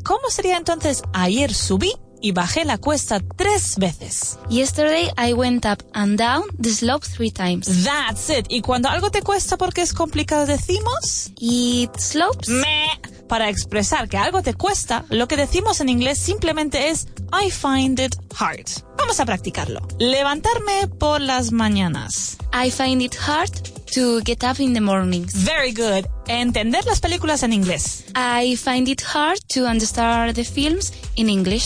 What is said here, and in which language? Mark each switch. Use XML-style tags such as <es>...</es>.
<es>¿Cómo sería entonces ayer subí y bajé la cuesta tres veces?</es> <en>Yesterday I went up and down the slope three times. That's it.</en> <es>¿Y cuando algo te cuesta porque es complicado decimos?</es> <en>It slopes. Meh.</en> <es>Para expresar que algo te cuesta, lo que decimos en inglés simplemente es</es> <en>I find it hard.</en> <es>Vamos a practicarlo. Levantarme por las mañanas.</es> <en>I find it hard to get up in the mornings. Very good.</en> <es>Entender las películas en inglés.</es> <en>I find it hard to understand the films in English.</en>